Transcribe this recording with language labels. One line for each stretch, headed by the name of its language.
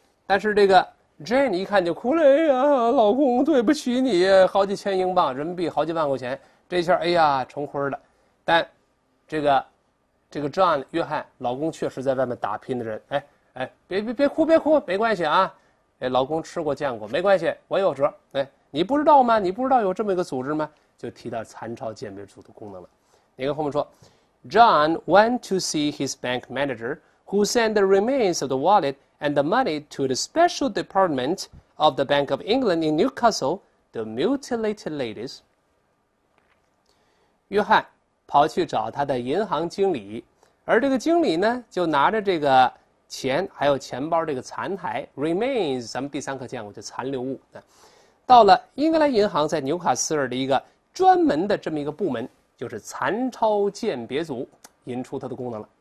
Chinese: 但是这个 Jane 一看就哭了，哎呀，老公，对不起你，好几千英镑，人民币好几万块钱，这下哎呀，成婚了。但这个 John 约翰，老公确实在外面打拼的人，哎哎，别哭别哭，没关系啊，哎，老公吃过见过，没关系，我有辙，哎，你不知道吗？你不知道有这么一个组织吗？就提到残超鉴别组的功能了。你跟后面说，
English: John went to see his bank manager, who sent the remains of the wallet and the money to the special department of the Bank of England in Newcastle, the mutilated ladies.
Chinese: 约翰跑去找他的银行经理，而这个经理呢，就拿着这个钱还有钱包这个残骸 remains， 咱们第三课见过，就残留物，到了英格兰银行在纽卡斯尔的一个专门的这么一个部门，就是残钞鉴别组，引出它的功能了。